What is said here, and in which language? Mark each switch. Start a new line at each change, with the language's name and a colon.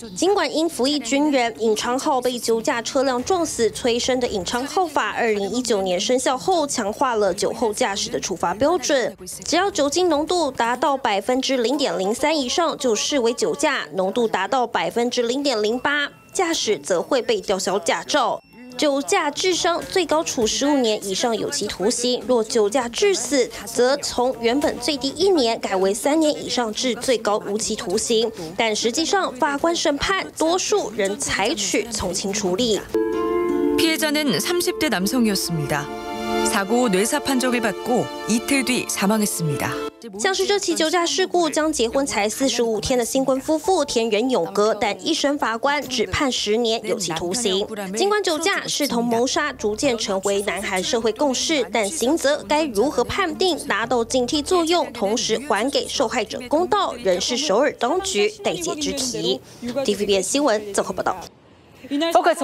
Chinese: 尽管因服役军人尹昌浩被酒驾车辆撞死催生的尹昌浩法2019年生效后，强化了酒后驾驶的处罚标准，只要酒精浓度达到0.03%以上就视为酒驾，浓度达到0.08%，驾驶则会被吊销驾照。酒驾致伤最高处15年以上有期徒刑，若酒驾致死，则从原本最低1年改为3年以上至最高无期徒刑。但实际上，法官审判多数仍采取从轻处理。
Korean: 피해자는 30대 남성이었습니다. 사고 후 뇌사 판정을 받고 이틀 뒤 사망했습니다.
Chinese: 像是这起酒驾事故将结婚才45天的新婚夫妇田原勇哥，但一审法官只判10年有期徒刑。尽管酒驾视同谋杀逐渐成为南韩社会共识，但刑责该如何判定，达到警惕作用，同时还给受害者公道，仍是首尔当局待解之题。TVBS 新闻综合报道。Focus